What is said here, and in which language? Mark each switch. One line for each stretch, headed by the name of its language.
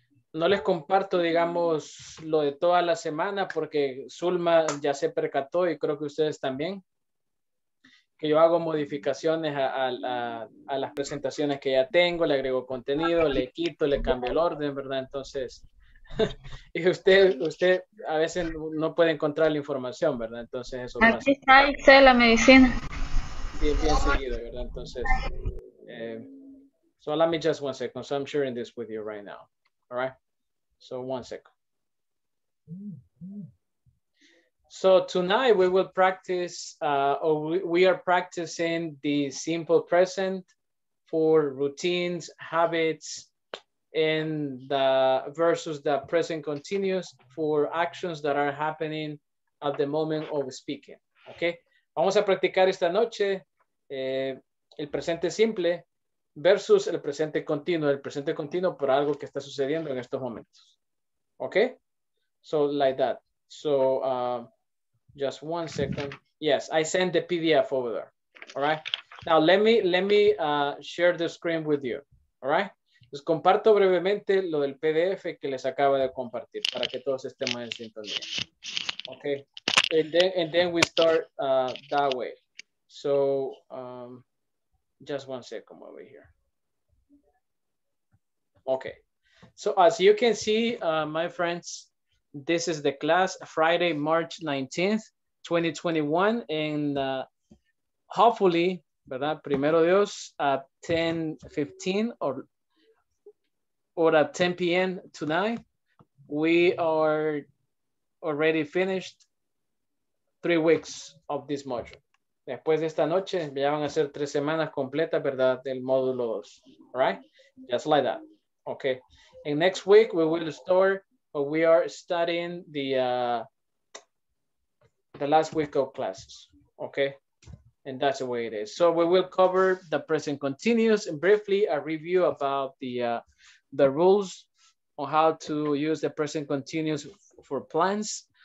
Spanish: No les comparto, digamos, lo de toda la semana porque Zulma ya se percató y creo que ustedes también, que yo hago modificaciones a las presentaciones que ya tengo, le agrego contenido, le quito, le cambio el orden, ¿verdad? Entonces, y usted a veces no puede encontrar la información, ¿verdad? Entonces eso pasa. Aquí está Excel, la medicina. Bien, bien seguido, ¿verdad?
English: Entonces, so let me just one second, so I'm sharing this with you right now. All right, so one second. So tonight we will practice, we are practicing the simple present for routines, habits, and versus the present continuous for actions that are happening at the moment of speaking.
Spanish: Okay, vamos a practicar esta noche el presente simple versus el presente continuo. El presente continuo por algo que está sucediendo en estos momentos.
English: Okay? So, like that. So, just one second. Yes, I sent the PDF over there. All right? Now, let me share the screen with you. All right?
Spanish: Les comparto brevemente lo del PDF que les acabo de compartir para que todos estemos en sintonía.
English: Okay? And then we start that way. So, just one second over here. Okay. So as you can see, my friends, this is the class Friday, March 19th, 2021. And hopefully, ¿verdad? Primero Dios, at 10:15 or at 10 p.m. tonight, we are already finished 3 weeks of this module.
Spanish: Después de esta noche, ya van a ser 3 semanas completas, ¿verdad?
English: Del módulo 2, right? Just like that, okay? And next week, we will start, but we are studying the last week of classes, okay? And that's the way it is. So we will cover the present continuous and briefly a review about the rules on how to use the present continuous for plans.